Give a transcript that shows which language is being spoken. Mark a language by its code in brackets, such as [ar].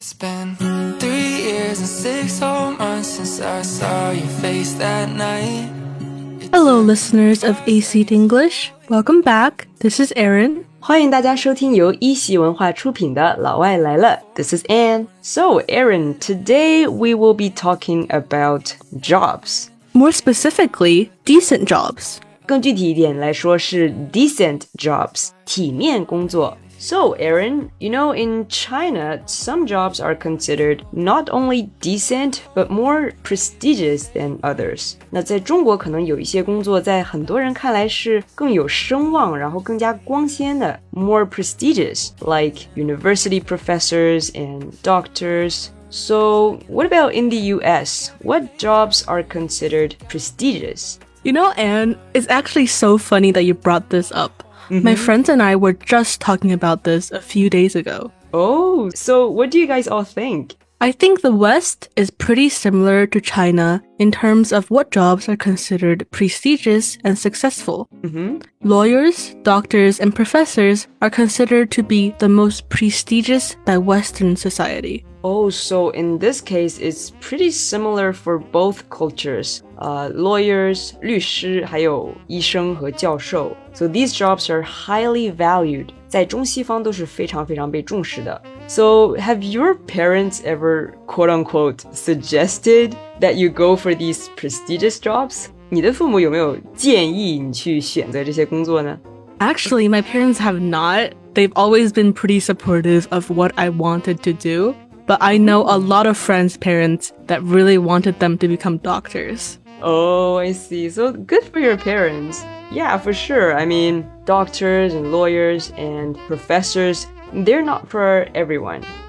[en] It's been 3 years and 6 whole months since I saw your face that night. Hello, listeners of ACT English. Welcome back. This is Erin. [zh] 欢迎大家收听由一席文化出品的《老外来了》。 [en] This is Anne. So, Erin, today we will be talking about jobs. More specifically, decent jobs. [zh] 更具体一点来说是 [en] decent jobs, [zh] 体面工作。 [en] So, Erin, you know, in China, some jobs are considered not only decent, but more prestigious than others. [zh] 那在中国可能有一些工作在很多人看来是更有声望，然后更加光鲜的。 [en] More prestigious, like university professors and doctors. So, what about in the US? What jobs are considered prestigious? You know, Anne, it's actually so funny that you brought this up. Mm-hmm. My friends and I were just talking about this a few days ago. Oh, so what do you guys all think? I think the West is pretty similar to China in terms of what jobs are considered prestigious and successful. Mm-hmm. Lawyers, doctors, and professors are considered to be the most prestigious by Western society. Oh, so in this case, it's pretty similar for both cultures. Lawyers, [zh] 律师还有医生和教授。 [en] So these jobs are highly valued. [zh] 在中西方都是非常非常被重视的。 [en] So have your parents ever, quote unquote, suggested that you go for these prestigious jobs? [zh] 你的父母有没有建议你去选择这些工作呢? [en] Actually, my parents have not. They've always been pretty supportive of what I wanted to do. But I know a lot of friends' parents that really wanted them to become doctors. Oh, I see. So good for your parents. Yeah, for sure. I mean, doctors and lawyers and professors, they're not for everyone.